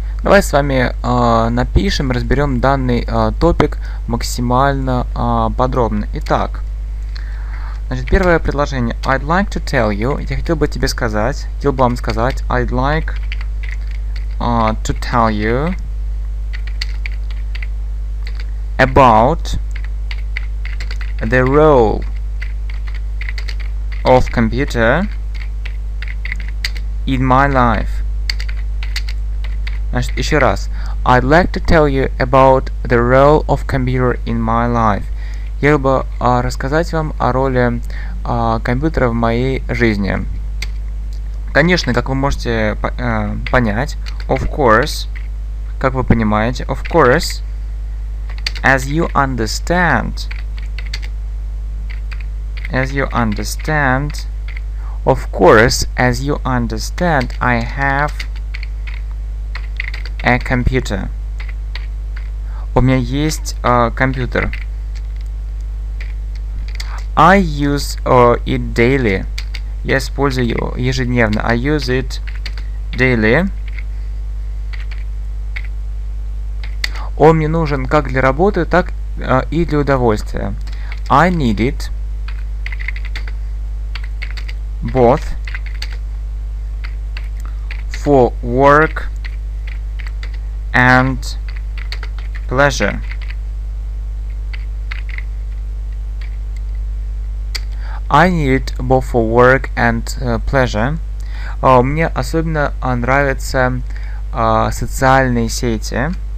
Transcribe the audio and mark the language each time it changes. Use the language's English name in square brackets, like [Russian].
[Russian] Давай с вами напишем, разберем данный топик максимально подробно. Итак, значит, первое предложение. [English] I'd like to tell you. [Russian] Я хотел бы тебе сказать, хотел бы вам сказать. [English] I'd like to tell you about the role of computer in my life. [Russian] Значит, еще раз. [English] I'd like to tell you about the role of computer in my life. [Russian] Я хотел бы рассказать вам о роли компьютера в моей жизни. Конечно, как вы можете понять, [English] of course, [Russian] как вы понимаете, [English] of course, as you understand, of course, as you understand, I have a computer. [Russian] У меня есть компьютер. [English] I use it daily. [Russian] Я использую его ежедневно. [English] I use it daily. [Russian] Он мне нужен как для работы, так и для удовольствия. [English] I need it both for work and pleasure. I need it both for work and pleasure. [Russian] Мне особенно нравятся социальные сети.